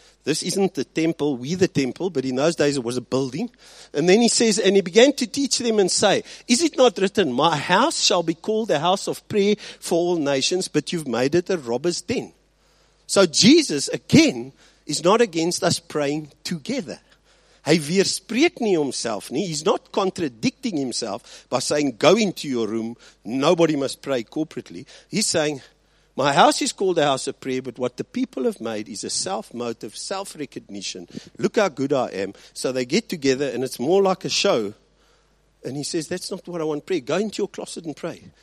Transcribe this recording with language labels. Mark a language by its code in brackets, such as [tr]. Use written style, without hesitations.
[en] This isn't the temple, we the temple, but in those days it was a building. And then he says, and he began to teach them and say, is it not written, my house shall be called the house of prayer for all nations, but you've made it a robber's den. So Jesus, again, is not against us praying together. [af] Hy weerspreek nie homself nie. [en] He's not contradicting himself by saying, go into your room, nobody must pray corporately. He's saying, my house is called a house of prayer, but what the people have made is a self-motive, self-recognition. Look how good I am. So they get together and it's more like a show. And he says, that's not what I want to pray. Go into your closet and pray.